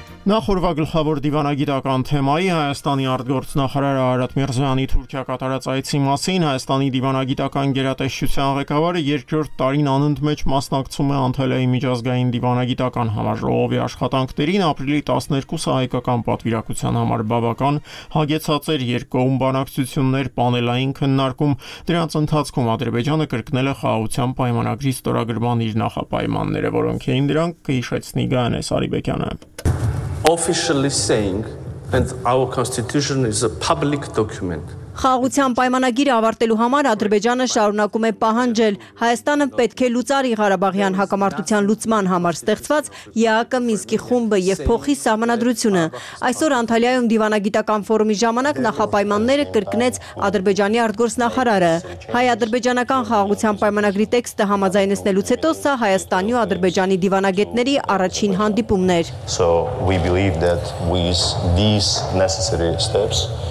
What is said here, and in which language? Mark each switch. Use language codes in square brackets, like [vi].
[hy] Նախորդվա գլխավոր դիվանագիտական թեմայի Հայաստանի արտգործնախարար Արարատ Միրզոյանի Թուրքիա կատարած այցի մասին Հայաստանի դիվանագիտական գերատեսչության ղեկավարը երկրորդ տարին անընդ մեջ մասնակցում է Անտալիայի միջազգային դիվանագիտական համաժողովի աշխատանքներին։ Ապրիլի 12-ը հայկական պատվիրակության համար բավական հագեցած էր երկկողմ բանակցություններ, պանելային քննարկում, դրանց ընթացքում Ադրբեջանը կրկնել է խաղաղության պայմանագրի ստորագրման իր նախապայմանները, որոնք էին դրանք կհիշեցնի Գանես Արիբեկյանը։ [en] Officially saying, and our constitution is a public document, [hy] Խաղության պայմանագիրը ավարտելու համար Ադրբեջանը շարունակում է պահանջել. Հայաստանը պետք է լուծարի Ղարաբաղյան հակամարտության լուծման համար ստեղծված ԵԱԿ-ը, Մինսկի խումբը և փոխի սահմանադրությունը։ Այսօր Անտալիայում դիվանագիտական ֆորումի ժամանակ նախապայմանները կրկնեց Ադրբեջանի արտգործնախարարը։ Հայ-ադրբեջանական խաղաղության պայմանագրի տեքստը համաձայնեցնելուց հետո սա Հայաստանի ու Ադրբեջանի դիվանագետների առաջին հանդիպումն էր։ [en] So we believe that with these necessary steps